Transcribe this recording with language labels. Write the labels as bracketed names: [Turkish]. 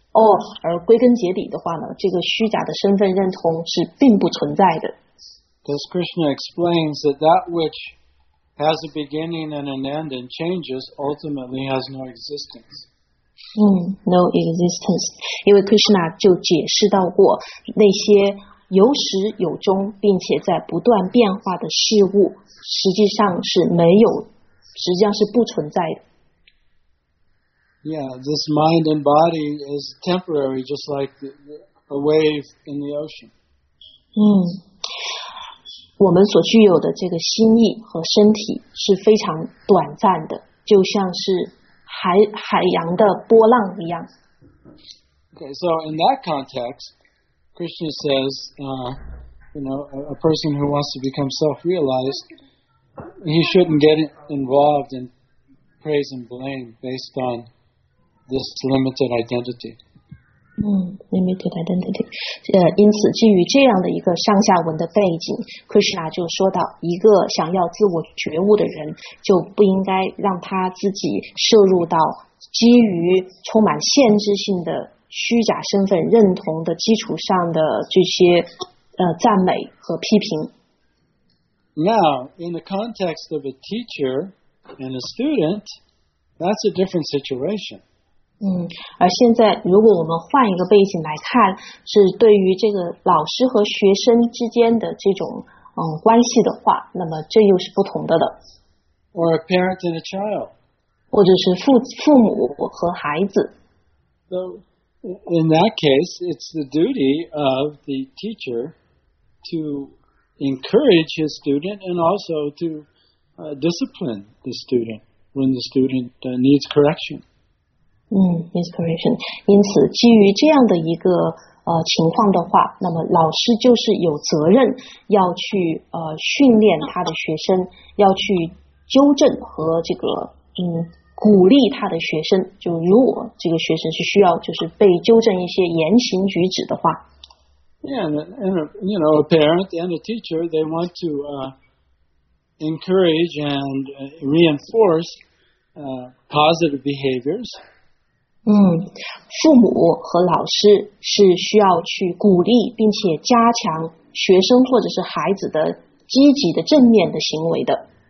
[Chinese] 而归根结底的话呢，这个虚假的身份认同是并不存在的。 [English] Because Krishna explains that that which has a beginning and an end and changes ultimately has no existence. No existence. [Chinese] 因为 Krishna 就解释到过那些有始有终并且在不断变化的事物实际上是没有实际上是不存在的。 [English] Yeah, this mind and body is temporary just like a wave in the ocean. [Chinese] 我们所具有的这个心意和身体是非常短暂的就像是海洋的波浪一样。 [English] Okay, so in that context, Krishna says, a person who wants to become self-realized, he shouldn't get involved in praise and blame based on this limited identity. Limited identity. [Chinese] 因此基于这样的一个上下文的背景 ,Krishna 就说到一个想要自我觉悟的人就不应该让他自己摄入到基于充满限制性的虚假身份认同的基础上的这些赞美和批评。 [English] Now, in the context of a teacher and a student, that's a different situation. [Chinese] 而现在如果我们换一个背景来看是对于这个老师和学生之间的这种关系的话那么这又是不同的了。 [English] Or a parent and a child. [Chinese] 或者是父母和孩子。 [English] So,In that case, it's the duty of the teacher to encourage his student and also to discipline the student when the student needs correction. Needs correction. [Chinese] 因此，基于这样的一个情况的话，那么老师就是有责任要去训练他的学生，要去纠正和这个鼓励他的学生，就如果这个学生是需要就是被纠正一些言行举止的话。 [English] Yeah, and you know, a parent and a teacher, they want to encourage and reinforce positive behaviors. [Chinese] 父母和老师是需要去鼓励并且加强学生或者是孩子的积极的正面的行为的。